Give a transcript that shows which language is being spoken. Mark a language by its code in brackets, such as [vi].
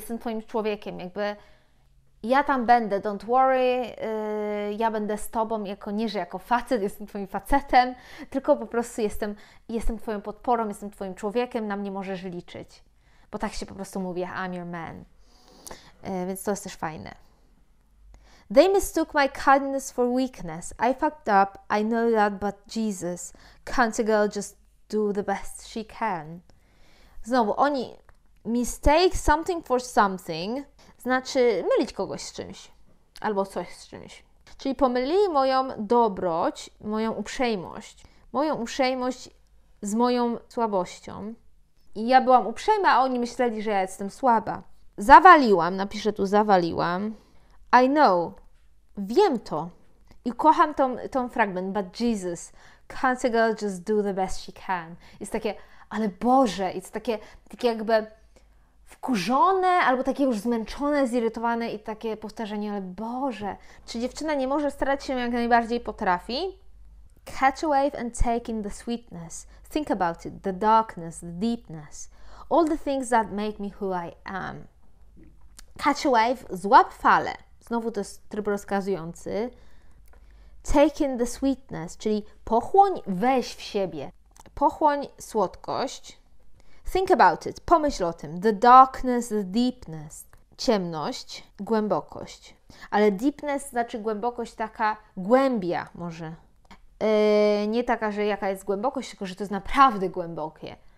[pl] Jestem twoim człowiekiem, jakby ja tam będę, [en] don't worry, [pl] ja będę z tobą, jako nie, że jako facet, jestem twoim facetem, tylko po prostu jestem twoją podporą, jestem twoim człowiekiem, na mnie możesz liczyć. Bo tak się po prostu mówi, [en] I'm your man. [pl] Więc to jest też fajne. [en] They mistook my kindness for weakness. I fucked up, I know that, but Jesus, can't a girl just do the best she can? [pl] Znowu, oni [en] mistake something for something, [pl] znaczy mylić kogoś z czymś, albo coś z czymś. Czyli pomylili moją dobroć, moją uprzejmość z moją słabością. I ja byłam uprzejma, a oni myśleli, że ja jestem słaba. Zawaliłam, napiszę tu zawaliłam. [en] I know, [pl] wiem to i kocham tą fragment, [en] but Jesus, can't a girl just do the best she can? [pl] Jest takie, ale Boże, jest takie jakby wkurzone albo takie już zmęczone, zirytowane i takie powtarzanie, ale Boże, czy dziewczyna nie może starać się jak najbardziej potrafi? [en] Catch a wave and take in the sweetness, think about it, the darkness, the deepness, all the things that make me who I am. Catch a wave, [pl] złap falę. Znowu to jest tryb rozkazujący. [en] Take in the sweetness, [pl] czyli pochłoń, weź w siebie. Pochłoń słodkość. [en] Think about it, [pl] pomyśl o tym. [en] The darkness, the deepness. [pl] Ciemność, głębokość. Ale deepness znaczy głębokość taka głębia może. Nie taka, że jaka jest głębokość, tylko że to jest naprawdę głębokie.